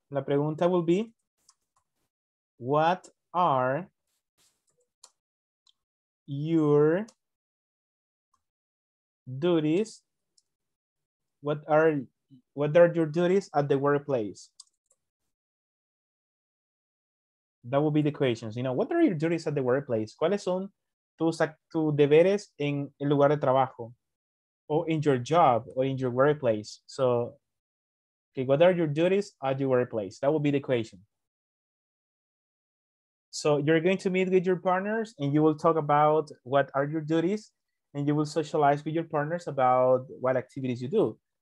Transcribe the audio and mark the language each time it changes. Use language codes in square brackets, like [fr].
[es] La pregunta [en] will be, what are your duties? What are your duties at the workplace? That will be the questions. You know, what are your duties at the workplace? [es] ¿Cuáles son tus deberes en el lugar de trabajo? [en] Or in your job, or in your workplace. So, okay, what are your duties at your workplace? That will be the question. So you're going to meet with your partners and you will talk about what are your duties and you will socialize with your partners about what activities you do.